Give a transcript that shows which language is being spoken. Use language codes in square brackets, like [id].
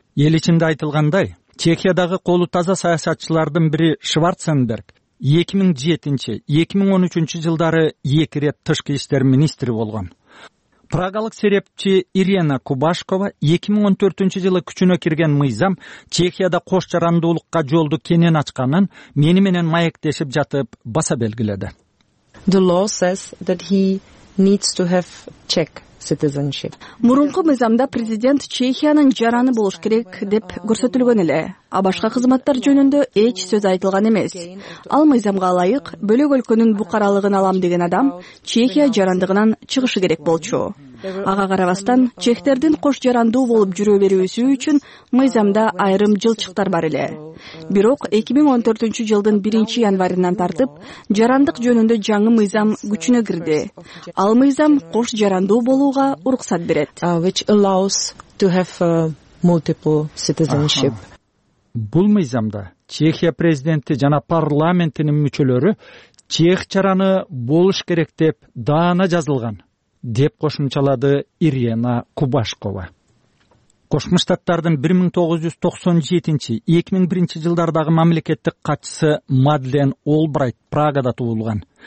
[ky] Эл ичинде айтылгандай, Чехиядагы колу таза саясатчылардын бири Шварценберг 2007-2013 жылдары эки ирет тышкы иштер министри болгон. Прагалык серепчи Ирена Кубашкова 2014 жылы күчүнө кирген мыйзам Чехияда кош жарандуулукка жолду кенен ачканын мени менен маектешип жатып баса белгиледи. [en] The law says that he needs to have Czech citizenship. [ky] Мурунку мыйзамда президент Чехиянын жараны болуш керек деп көрсөтүлгөн эле. А башка кызматтар жөнүндө эч сөз айтылган эмес. Ал мыйзамга ылайык бөлөк өлкөнүн букаралыгын алам деген адам Чехия жарандыгынан чыгышы керек болчу. Ага карабастан чехтердин кош жарандуу болуп жүрө берүүсү үчүн мыйзамда айрым жылчыктар бар эле. Бирок 2014 жылдын 1 январынан тартып жарандык жөнүндө жаңы мыйзам күчүнө кирди. Ал мыйзам кош жарандуу болууга уруксат берет. [en] Which allows to have multiple citizenship. [ky] Бул мыйзамда Чехия президенти жана парламентинин мүчөлөрү чех жараны болуш керек деп даана жазылган, деп кошумчалады Ирена Кубашкова. Кошмо Штаттардын 1997-2001 жылдардагы мамлекеттик катчысы Мадлен Олбрайт Прагада туулган.